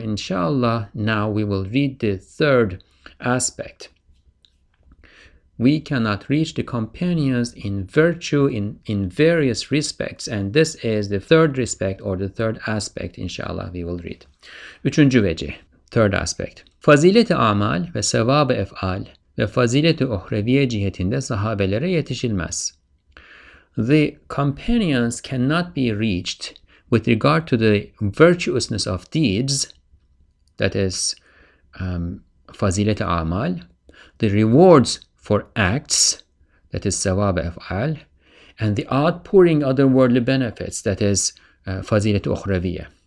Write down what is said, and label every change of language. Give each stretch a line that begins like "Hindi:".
English: Inshallah, now we will read the third aspect. We cannot reach the companions in virtue in various respects. And this is the third respect or the third aspect, inshallah, we will read.
Turkish: Üçüncü vece,
English: third aspect.
Turkish: Fazileti amal ve sevabı efal ve fazileti uhreviye cihetinde sahabelere yetişilmez.
English: The companions cannot be reached with regard to the virtuousness of deeds, that is, fazileti amal, the rewards for acts, that is sawab af'al, and the outpouring other worldly benefits, that is fazilat ukhraviyya.